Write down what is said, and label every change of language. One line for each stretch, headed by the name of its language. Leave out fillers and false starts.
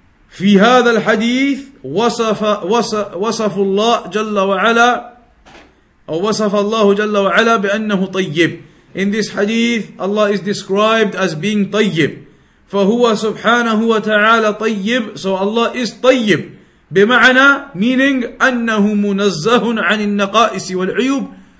Arabic: في هذا الحديث وصف الله جل وعلا أو وصف الله جل وعلا بأنه طيب.
English: In this hadith, Allah is described as being طيب.
Arabic: فهو سبحانه وتعالى طيب.
English: So Allah is
Arabic: طيب. بمعنى
English: meaning
Arabic: أنه منزه عن النقائص والعيوب.